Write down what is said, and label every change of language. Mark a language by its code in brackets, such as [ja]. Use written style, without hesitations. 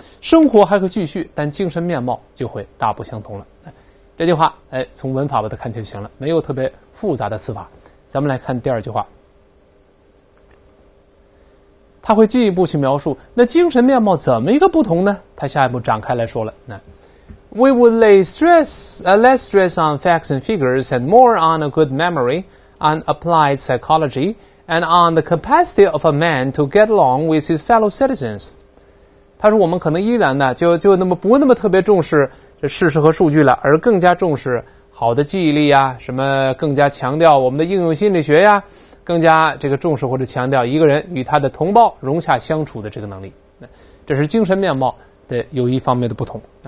[zh] 生活还会继续，但精神面貌就会大不相同了。这句话从文法把它看就行了，没有特别复杂的词法。咱们来看第二句话，他会进一步去描述那精神面貌怎么一个不同呢？他下一步展开来说了。 [en] 那 We would lay stress, less stress on facts and figures and more on a good memory, on applied psychology, and on the capacity of a man to get along with his fellow citizens. [zh] 他说我们可能依然呢就那么不那么特别重视这事实和数据了，而更加重视好的记忆力什么更加强调我们的应用心理学更加这个重视或者强调一个人与他的同胞融洽相处的这个能力，这是精神面貌的有一方面的不同。